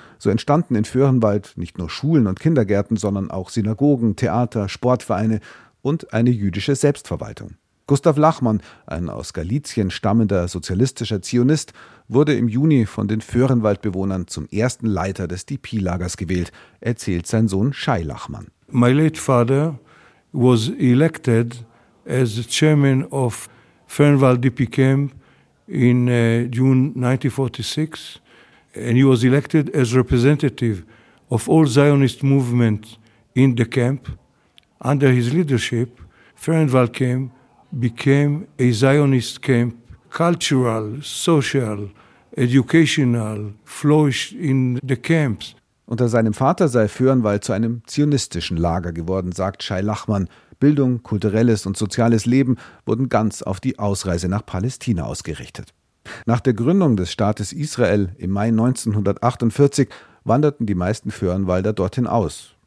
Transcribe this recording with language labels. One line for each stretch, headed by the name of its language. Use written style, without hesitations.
German: So entstanden in Föhrenwald nicht nur Schulen und Kindergärten, sondern auch Synagogen, Theater, Sportvereine und eine jüdische Selbstverwaltung. Gustav Lachmann, ein aus Galizien stammender sozialistischer Zionist, wurde im Juni von den Föhrenwaldbewohnern zum ersten Leiter des DP-Lagers gewählt, erzählt sein Sohn Shai Lachmann.
English: My late father was elected as chairman of Föhrenwald DP Camp in June 1946. And he was elected as representative of all Zionist movement in the camp. Under his leadership, Föhrenwald came became a Zionist camp, cultural, social, educational, flourished in the camps.
German: Unter seinem Vater sei Föhrenwald zu einem zionistischen Lager geworden, sagt Shai Lachmann. Bildung, kulturelles und soziales Leben wurden ganz auf die Ausreise nach Palästina ausgerichtet. Nach der Gründung des Staates Israel im Mai 1948 wanderten die meisten Föhrenwalder dorthin aus.